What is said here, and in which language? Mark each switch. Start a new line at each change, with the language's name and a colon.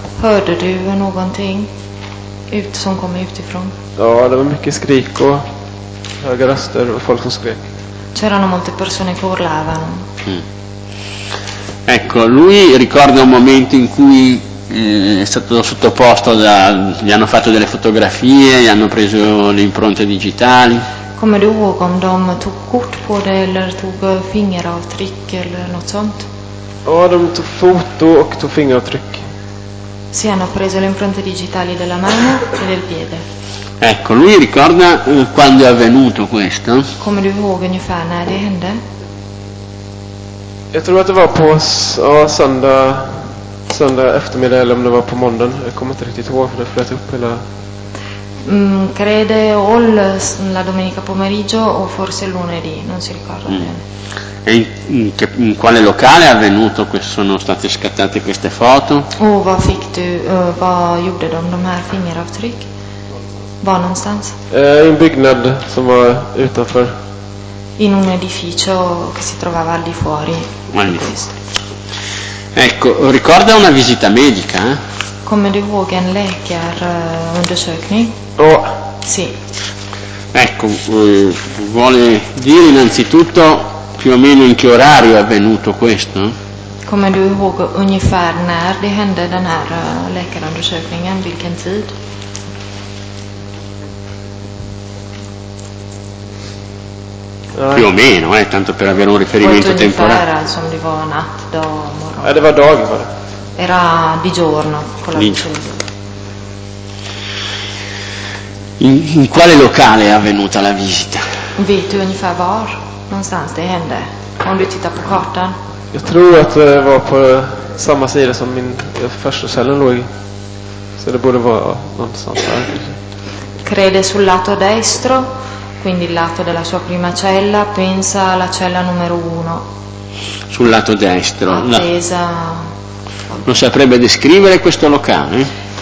Swedish: Hörde du någonting ut som kom utifrån? Ja, det var mycket skrik och höga röster och folk som skrek.
Italian: C'erano molte persone che urlavano. Ecco, lui ricorda un momento in cui è stato sottoposto gli hanno fatto delle fotografie, gli hanno preso le impronte digitali.
Swedish: Come du ihåg om de tog kort på det eller tog fingeravtryck eller något sånt? Ja, de tog foto och tog fingeravtryck.
Italian: Si hanno preso le impronte digitali della mano e del piede. Ecco, lui ricorda quando è avvenuto questo?
Swedish: Come du ihåg ungefär när det hände? Jag tror att det var på söndag eftermiddag eller om det var på måndagen. Jag kommer inte riktigt ihåg för det flöt upp hela.
Italian: Crede o la domenica pomeriggio o forse lunedì, non si ricorda bene. E in quale locale è avvenuto sono state scattate queste foto?
Swedish: Vad fick du, vad gjorde de här fingeravtryck? Var någonstans? In byggnad som var utanför.
Italian: In un edificio che si trovava al di fuori. Magnifico. Ecco, ricorda una visita medica?
Swedish: Kommer du ihåg en läkarundersökning? Ja. Oh.
Italian: Sì. Ecco, vuole dire innanzitutto più o meno in che orario è avvenuto questo?
Swedish: Kommer du ihåg ungefär när det hände den här läkarundersökningen, vilken tid?
Italian: Più o meno, tanto per avere un riferimento temporale.
Swedish: Som det var natt, dag, morgon. Det var dag, va?
Italian: Era di giorno, con la luce. In quale locale è avvenuta la visita?
Swedish: Vet du ungefär var någonstans det hände? Om du tittar på kartan. Jag tror att det var på samma sida som min första cellen låg. Så det borde vara någonstans där.
Italian: Crede sul lato destro, quindi il lato della sua prima cella, pensa alla cella numero uno. Sul lato destro. Attesa. Non saprebbe descrivere questo locale?